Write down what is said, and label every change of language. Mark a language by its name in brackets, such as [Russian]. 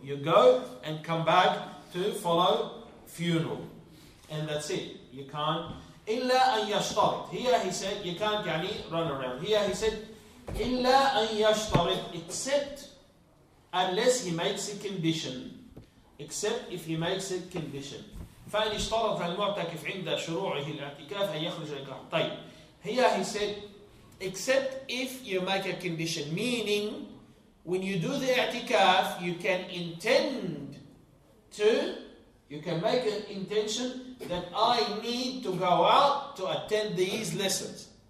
[English] You go and come back to follow funeral. And that's it. You can't. [Arabic] إلا أن يشترط. [English] Here he said, you can't يعني run around. Here he said, [Arabic] إلا أن يشترط. [English] Except unless he makes a condition. Except if he makes a condition. [Arabic] فإن اشترط المعتكف عند شروعه الاعتكاف أن يخرج الكهف. طيب. [English] Here he said, except if you make a condition. Meaning, when you do the i'tikaf, you can intend to, you can make an intention that I need to go out to attend these lessons.